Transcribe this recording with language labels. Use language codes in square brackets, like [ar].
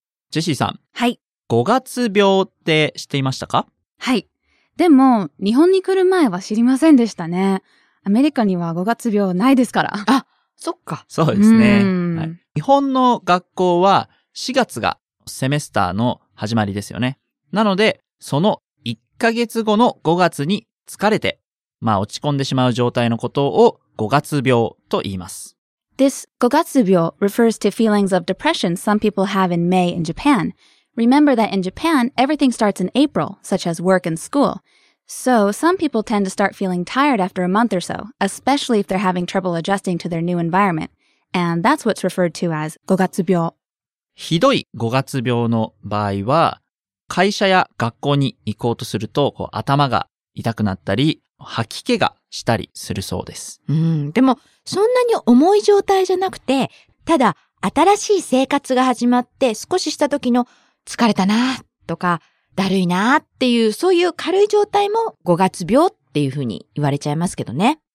[ja] ジェシーさん。はい。 5月病って知っていましたか? はい。でも、日本に来る前は知りませんでしたね。アメリカには5月病ないですから。あ、そっか。そうですね。はい、日本の学校は4月がセメスターの始まりですよね。なので、その1ヶ月後の5月に疲れて、まあ落ち込んでしまう状態のことを5月病と言います。 [en] This 5月病 refers to feelings of depression some people have in May in Japan. Remember that in Japan, everything starts in April, such as work and school. So, some people tend to start feeling tired after a month or so, especially if they're having trouble adjusting to their new environment. And that's what's referred to as 5月病。 [ja] ひどい5月病の場合は、会社や学校に行こうとすると、こう頭が痛くなったり、吐き気がしたりするそうです。うん、でも、そんなに重い状態じゃなくて、ただ、新しい生活が始まって少しした時の疲れたなとかだるいなっていうそういう軽い状態も5月病っていう風に言われちゃいますけどね。